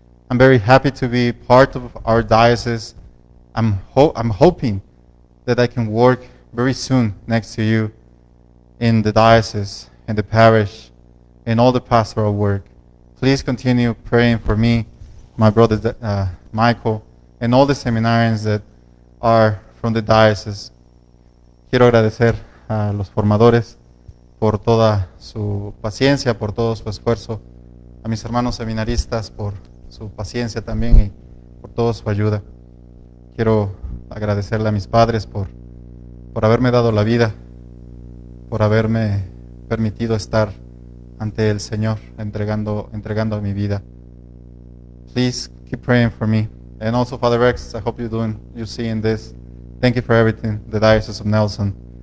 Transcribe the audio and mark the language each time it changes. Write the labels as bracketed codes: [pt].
[en] I'm very happy to be part of our diocese. I'm hoping that I can work very soon next to you in the diocese, in the parish, in all the pastoral work. Please continue praying for me, my brother Michael, and all the seminarians that are from the diocese. [es] Quiero agradecer a los formadores por toda su paciencia, por todo su esfuerzo, a mis hermanos seminaristas por su paciencia también y por toda su ayuda. Quiero agradecerle a mis padres por haberme dado la vida, por haberme permitido estar ante el Señor, entregando mi vida. [en] Please keep praying for me. And also, Father Rex, I hope you're seeing this. Thank you for everything, the Diocese of Nelson.